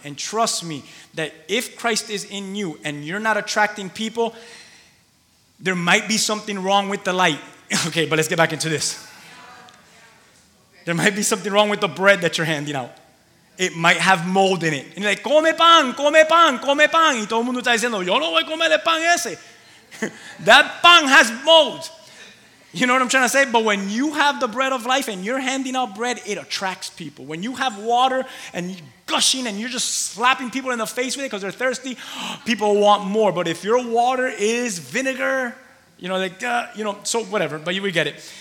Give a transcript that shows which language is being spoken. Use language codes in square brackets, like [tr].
[en] And trust me that if Christ is in you and you're not attracting people, there might be something wrong with the light. Okay, but let's get back into this. There might be something wrong with the bread that you're handing out. It might have mold in it. And you're like, [es] come pan, come pan, come pan. Y todo el mundo está diciendo, yo no voy a comer el pan ese. [en] That pan has mold. You know what I'm trying to say? But when you have the bread of life and you're handing out bread, it attracts people. When you have water and you're gushing and you're just slapping people in the face with it because they're thirsty, people want more. But if your water is vinegar, you know, like, you know, so whatever, but we get it.